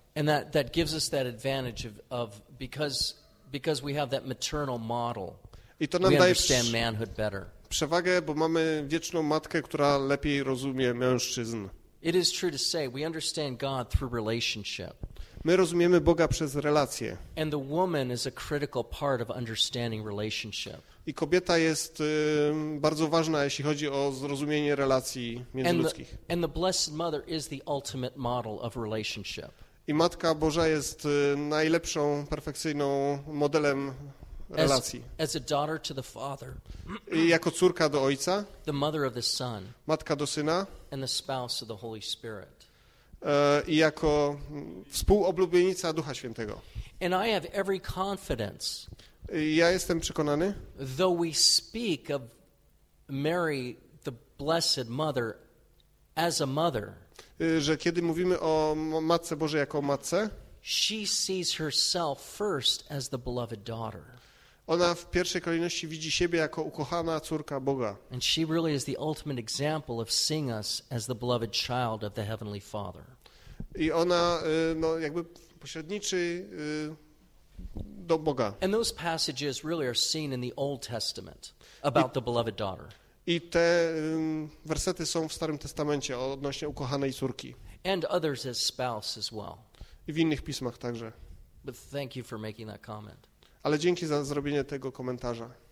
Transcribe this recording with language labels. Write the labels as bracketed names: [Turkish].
[English] And that gives us that advantage of because we have that maternal model. [Polish] I to nam [English] we understand manhood better. [Polish] Przewagę, bo mamy wieczną matkę, która lepiej rozumie mężczyzn. [English] It is true to say we understand God through relationship. [Polish] My rozumiemy Boga przez relacje. [English] And the woman is a critical part of understanding relationship. [Polish] I kobieta jest bardzo ważna, jeśli chodzi o zrozumienie relacji międzyludzkich. [English] And the Blessed Mother is the ultimate model of relationship. [Polish] I Matka Boża jest najlepszą, perfekcyjną modelem relacji. [English] As a daughter to the father. [Polish] I jako córka do ojca. [English] The mother of the son. [Polish] Matka do syna. [English] And the spouse of the Holy Spirit. [Polish] i jako współoblubienica Ducha Świętego. [English] And I have every confidence. [Polish] Ja jestem przekonany. [English] Though we speak of Mary, the Blessed Mother, as a mother. [Polish] Że kiedy mówimy o Matce Bożej jako o matce, [English] she sees herself first as the beloved daughter. [Polish] Ona w pierwszej kolejności widzi siebie jako ukochana córka Boga. [English] And she really is the ultimate example of seeing us as the beloved child of the Heavenly Father. [Polish] I ona no, jakby pośredniczy do Boga. [English] And those passages really are seen in the Old Testament about the beloved daughter. [Polish] I te wersety są w Starym Testamencie odnośnie ukochanej córki. [English] And others as spouse as well. [Polish] I w innych pismach także. [English] But thank you for making that comment. [Polish] Ale dzięki za zrobienie tego komentarza.